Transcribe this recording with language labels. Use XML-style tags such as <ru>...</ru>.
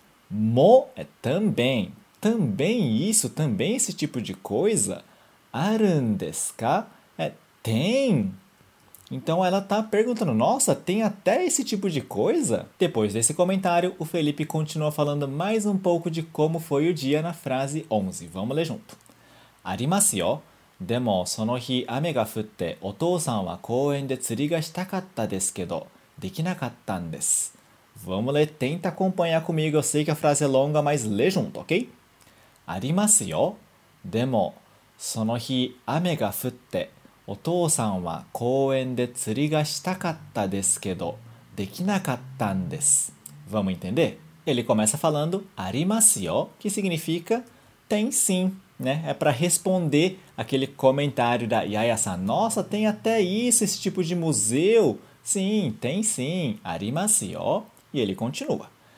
<pt>Mo é também, também isso, também esse tipo de coisa.</pt> <ja>Arun desu ka?</ja> <pt>É tem. Então ela está perguntando, nossa, tem até esse tipo de coisa? Depois desse comentário, o Felipe continua falando mais um pouco de como foi o dia na frase 11. Vamos ler junto.</pt> <ja>Arimasu yo. でもその日雨が降ってお父さんは公園で釣りがしたかったですけどできなかったんです。</ja> <pt>Vamos ler, tenta acompanhar comigo. Eu sei que a frase é longa, mas lê junto, ok?</pt> <ja>ありますよ。でもその日雨が降ってお父さんは公園で釣りがしたかったですけどできなかったんです。</ja> <pt>Vamos entender? Ele começa falando</pt> <ja>ありますよ、</ja> <pt>que significa tem sim. Né? É para responder aquele comentário da Yaya-san. Nossa, tem até isso, esse tipo de museu? Sim, tem sim.</pt> <ja>Arimasu yo.</ja> <pt>E ele continua.</pt>